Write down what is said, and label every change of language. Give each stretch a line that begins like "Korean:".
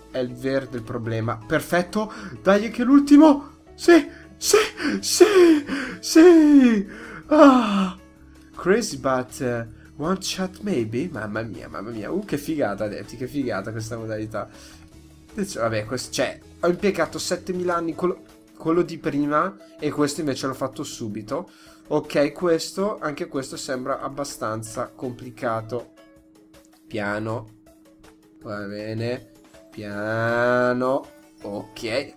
Italian: È il verde il problema. Perfetto. Dai, che l'ultimo. Sì. Sì. Sì. Sì! Ah!
English: Crazy but one shot maybe?
Italian: Mamma mia, mamma mia. Che figata, detti, che figata questa modalità. Vabbè, questo, cioè, ho impiegato 7.000 anni quello di prima e questo invece l'ho fatto subito. Ok, questo, anche questo sembra abbastanza complicato. Piano. Va bene. Piano. Ok.